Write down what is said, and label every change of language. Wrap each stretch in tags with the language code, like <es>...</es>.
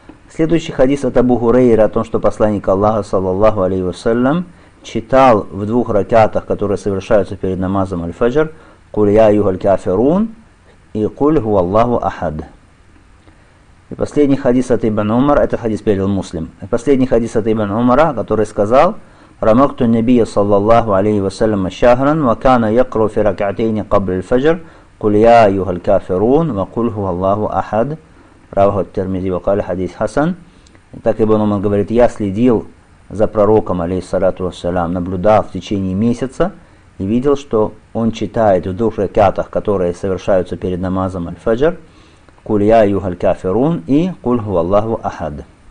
<ru>Следующий хадис от Абу Хурейра о том, что посланник Аллаха, саллаллаху алейхи вассалям, читал в двух ракатах, которые совершаются перед намазом Аль-Фаджр, «Куль я юхаль кафирун» и «Куль ху Аллаху ахад». И последний хадис от Ибн Умара, это хадис перевел Муслим. И последний хадис от Ибн Умара, который сказал,</ru> <ar>رمقت النبي صلى الله عليه وسلم شهرا وكان يقرأ في ركعتين قبل الفجر قل يا أيها الكافرون وقل هو الله أحد. رواه الترمذي وقال حديث حسن.</ar> <ru>Так ибн Умар говорит, я следил за пророком, алейхиссалату вассалям, наблюдал в течение месяца и видел, что он читает в двух ракатах, которые совершаются перед намазом Аль-Фаджр, «Куль я юхаль кафирун» и «Куль ху Аллаху ахад».</ru>